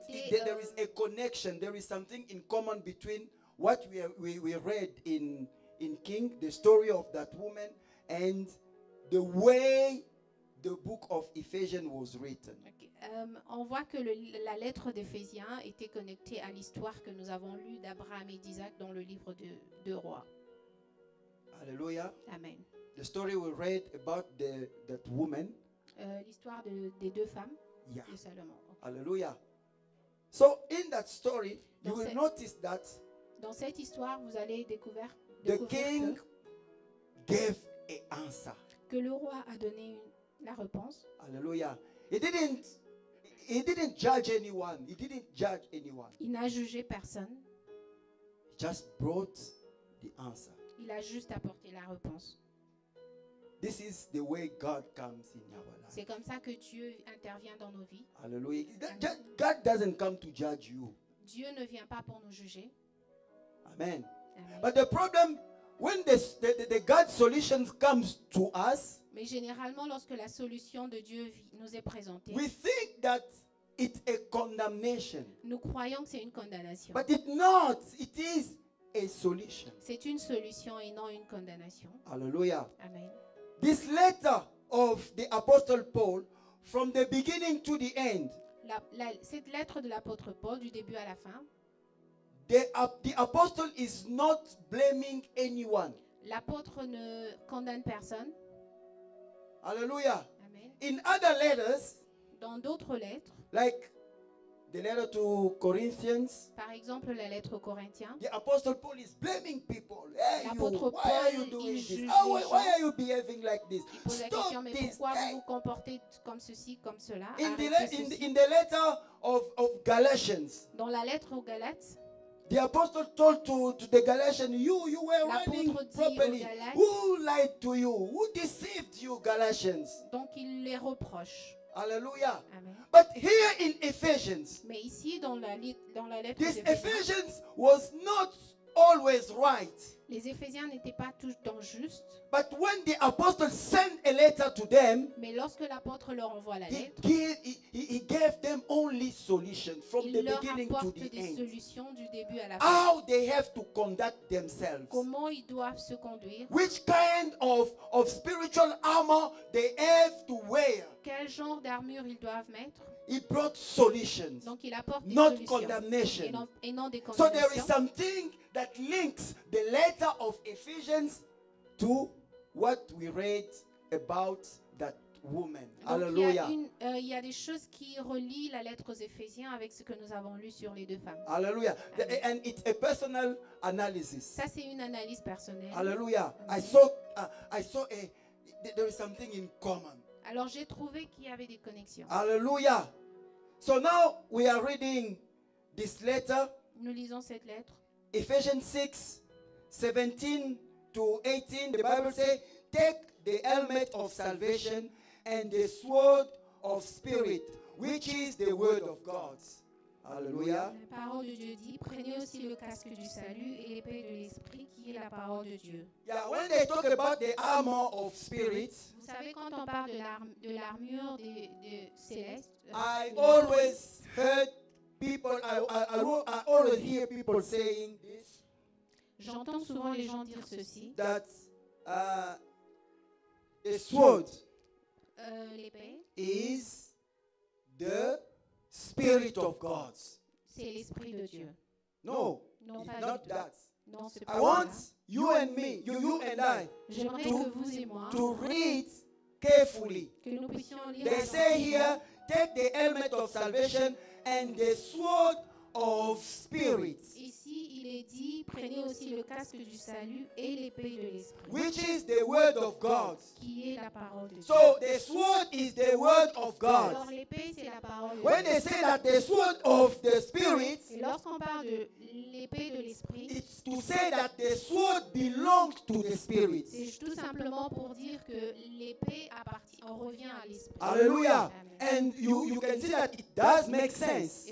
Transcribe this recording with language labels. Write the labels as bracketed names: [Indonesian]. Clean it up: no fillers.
[English] There is a connection. There is something in common between what we read in King, the story of that woman, and the way the book of Ephesians was written. Okay. [French] On voit que la lettre d'Éphésiens était connectée à l'histoire que nous avons lue d'Abraham et d'Isaac dans le livre de Rois. Alléluia. Amen. [English] The story we read about that woman. [French] L'histoire des deux femmes. [English] Yeah. [French] De Salomon. Okay. Alléluia. [English] So in that story, you will notice that. [French] Dans cette histoire, vous allez découvrir. [English] The king gave an answer. [French] Que le roi a donné la réponse. [English] Alléluia. He didn't judge anyone. He didn't judge anyone. [French] Il n'a jugé personne. [English] He just brought the answer. [French] Il a juste apporté la réponse. [English] This is the way God comes in our life. [French] C'est comme ça que Dieu intervient dans nos vies. [English] Alléluia. God doesn't come to judge you. [French] Dieu ne vient pas pour nous juger. Amen. [English] But the problem when the God solution comes to us. [French] Mais généralement, lorsque la solution de Dieu nous est présentée, [English] we think that it's a condemnation. [French] Nous croyons que c'est une condamnation. [English] But it's not. It is a solution. [French] C'est une solution et non une condamnation. Alléluia. Amen. [English] This letter of the apostle Paul, from the beginning to the end. [French] Cette lettre de l'apôtre Paul, du début à la fin. [English] The apostle is not blaming anyone. [French] L'apôtre ne condamne personne. Alléluia. Amen. [English] In other letters, [French] dans d'autres lettres, [English] like the letter to Corinthians, [French] par exemple la lettre aux Corinthiens, [English] the apostle Paul is blaming people. Hey, [French] l'apôtre [English] Paul, why are you doing this? Oh, why are you behaving like this? [French] Il pose la question, mais pourquoi vous vous comportez comme ceci, comme cela? [English] In the letter of Galatians, [French] dans la lettre aux Galates. [English] The apostle told to the Galatians, you were running properly. [French] Galates, [English] who lied to you? Who deceived you, Galatians? [French] Donc il les reproche. Alleluia. Amen. [English] But here in Ephesians, [French] mais ici dans la lettre [English] this Ephesians was not always right. [French] Les Éphésiens n'étaient pas tous dans juste. [English] But when the apostle sent a letter to them, [French] mais lorsque l'apôtre leur envoie la lettre, [English] he gave them only solution from the beginning to the end. [French] Il leur apporte des solutions du début à la fin. [English] How they have to conduct themselves. [French] Comment ils doivent se conduire. [English] Which kind of spiritual armor they have to wear. [French] Quel genre d'armure ils doivent mettre. [English] He brought solutions. [French] Donc il apporte [English] not [French] des [English] condemnation. [French] Et non des condamnations. [English] So there is something that links the letter of Ephesians to what we read about that woman. Hallelujah. [French] Il y a des choses qui relient la lettre aux Éphésiens avec ce que nous avons lu sur les deux femmes. [English] Hallelujah. And it's a personal analysis. [French] Ça c'est une analyse personnelle. [English] Hallelujah. Okay. I saw there is something in common. [French] Alors j'ai trouvé qu'il y avait des connexions. [English] Hallelujah. So now we are reading this letter. [French] Nous lisons cette lettre. [English] Ephesians 6, 17 to 18, the Bible says, take the helmet of salvation and the sword of spirit, which is the word of God. Alléluia. [French] La parole de Dieu dit, prenez aussi le casque du salut et l'épée de l'esprit qui est la parole de Dieu. [English] Yeah, when they talk about the armor of spirit, [French] vous savez quand on parle de l'armure de céleste, [English] I always heard people, I always hear people saying this. [French] J'entends souvent les gens dire ceci. [English] That the sword [French] l'épée [English] is the spirit of God. [French] C'est l'esprit de Dieu. [English] No, [French] non, [English] not [French] Dieu. [English] That. [French] Non, c'est [English] I want [French] là. [English] You and me, you and I, [French] j'aimerais [English] to, [French] que vous et moi, [English] to read carefully. [French] Que nous puissions lire. [English] They say here, take the helmet of salvation and the sword of spirit. [French] Ici, il est dit, prenez aussi le casque du salut et l'épée de l'esprit. [English] Which is the word of God. [French] Qui est la parole de Dieu. [English] So the sword is the word of God. [French] Alors l'épée c'est la parole. [English] When they say that the sword of the spirit, [French] et lorsqu'on parle de l'épée de l'esprit, [English] it's to say that the sword belongs to the spirit. [French] C'est tout simplement pour dire que l'épée appartient, revient à l'esprit. Alléluia. [English] And you can see that it does make sense.